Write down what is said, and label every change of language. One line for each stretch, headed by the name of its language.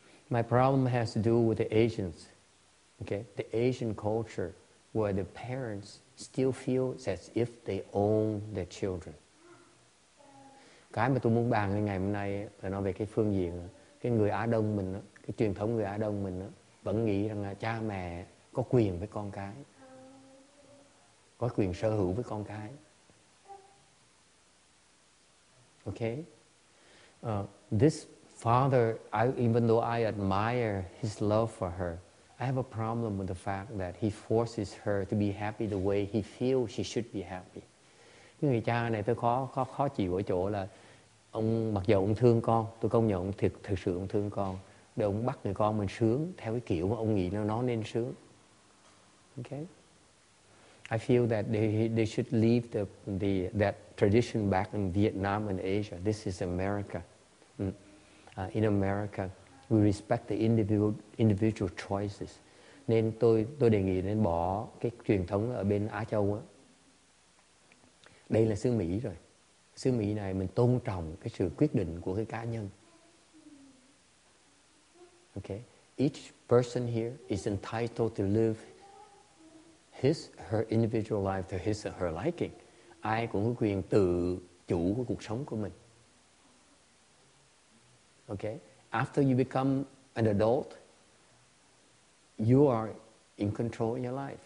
English: My problem has to do with the Asians. Okay? The Asian culture where the parents still feel as if they own their children.
Vietnamese: Cái mà tôi muốn bàn ngày hôm nay là nói về cái phương diện cái người Á Đông mình đó, cái truyền thống người Á Đông mình đó, vẫn nghĩ rằng là cha mẹ có quyền với con cái, có quyền sở hữu với con cái.
English: Okay? This father, even though I admire his love for her, I have a problem with the fact that he forces her to be happy the way he feels she should be happy.
Vietnamese: Cái người cha này tôi khó chịu ở chỗ là ông mặc dù ông thương con, tôi công nhận thực sự ông thương con, để ông bắt người con mình sướng theo cái kiểu mà ông nghĩ nó nên sướng.
English: Okay? I feel that they should leave that tradition back in Vietnam and Asia. This is America. In America, we respect the individual choices.
Vietnamese: Nên tôi đề nghị nên bỏ cái truyền thống ở bên Á Châu á. Đây là xứ Mỹ rồi. Xứ Mỹ này mình tôn trọng cái sự quyết định của cái cá nhân.
English: Okay. Each person here is entitled to live his her individual life to his or her liking.
Vietnamese: Ai cũng có quyền tự chủ của cuộc sống của mình.
English: Okay. After you become an adult, you are in control in your life.